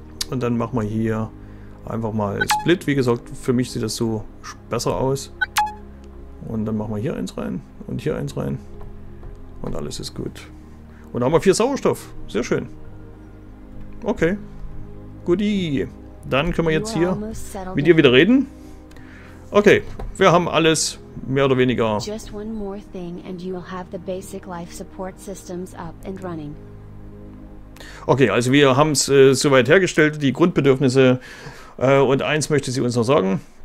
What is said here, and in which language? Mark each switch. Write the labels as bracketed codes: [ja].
[de] Und dann machen wir hier einfach mal Split. Wie gesagt, für mich sieht das so besser aus. Und dann machen wir hier eins rein und hier eins rein. Und alles ist gut. Und da haben wir 4 Sauerstoff. Sehr schön. Okay. Guti. Dann können wir jetzt hier mit dir wieder reden. Okay. Wir haben alles mehr oder weniger. [en] Just one more thing and you will have the basic life support systems up and running. [de] Okay, also wir haben es soweit hergestellt, die Grundbedürfnisse. Und eins möchte sie uns noch sagen.